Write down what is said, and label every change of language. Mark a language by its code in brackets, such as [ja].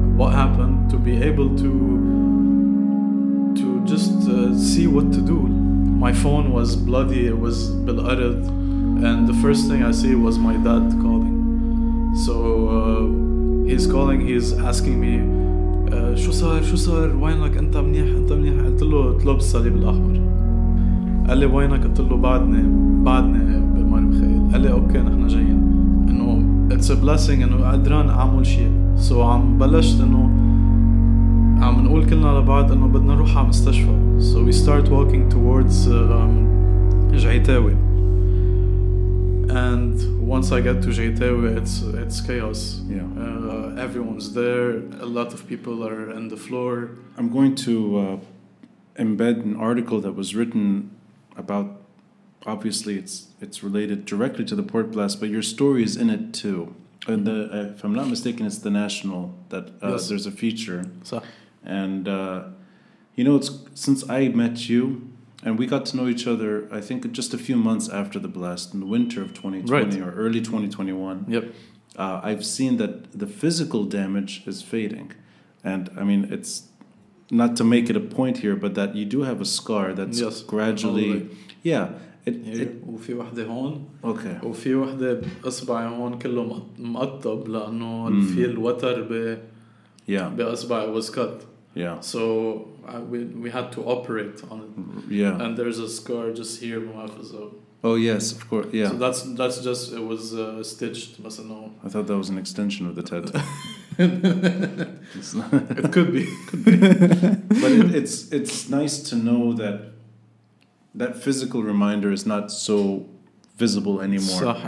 [en] What happened to be able to just see what to do? My phone was bloody. It was [ar] بالأرض, [en] and the first thing I see was my dad calling. So he's calling. He's asking me, [ar] شو صار شو صار وينك أنت منيح أنت منيح قلت له طلب الصليب الأحمر قال لي وينك قلت له بعدني بالمال مخيل قال لي أوكي نحن جايين إنه [en] it's a blessing [ar] إنه قدران أعمل شيء so عم بلشت إنه عم نقول كلنا لبعض إنه بدنا نروح على مستشفى [en] so we start walking towards [ar] جعيتاوي [en] and once I get to [ar] جعيتاوي [en] it's chaos. Yeah. Everyone's there. A lot of people are on the floor. I'm going to embed an article that was written about, obviously it's related directly to the port blast, but your story is in it too. And the, if I'm not mistaken, it's the National that yes. There's a feature. So. And you know, it's since I met you, and we got to know each other, I think just a few months after the blast in the winter of 2020 right. or early 2021. Yep. I've seen that the physical damage is fading. And I mean, it's not to make it a point here, but that you do have a scar that's yes, gradually. Probably. Yeah. [ar] وفي واحدة هون. [en] Okay. [ar] وفي واحدة بأصبعي هون كله مقطب لأنه في الوتر بأصبعي [en] was cut. Yeah. So we had to operate on it. Yeah. And there's a scar just here in my face. Oh yes, of course. Yeah. So that's just it was stitched. Must have known. I thought that was an extension of the tattoo. It could be. But it's nice to know that physical reminder is not so visible anymore.